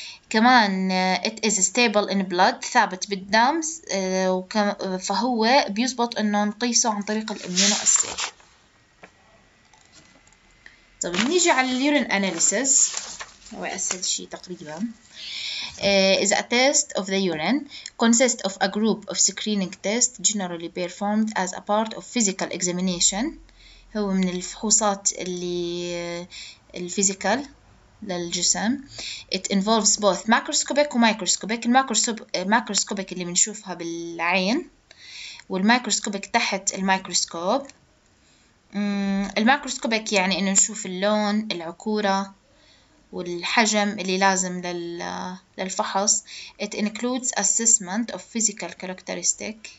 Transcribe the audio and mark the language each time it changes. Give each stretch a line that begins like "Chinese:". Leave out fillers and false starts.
Arabic: كمان
English: it is stable in blood،
Arabic: ثابت بالدم، فهو بيزبط إنه نقيسه عن طريق الأميونو أسي. طب نيجي على اليورين أناليسز، هو أسهل شيء تقريبا.
English: Is a test of the urine consists of a group of screening tests generally performed as a part of physical examination.
Arabic: هو من الفحوصات اللي الفيزيكال للجسم.
English: It involves both macroscopic and microscopic.
Arabic: الماكروسكوبيك اللي بنشوفها بالعين، والمايكروسكوبيك تحت الميكروسكوب. الماكروسكوبيك يعني انه نشوف اللون، العكورة والحجم اللي لازم للفحص.
English: It includes assessment of physical characteristic.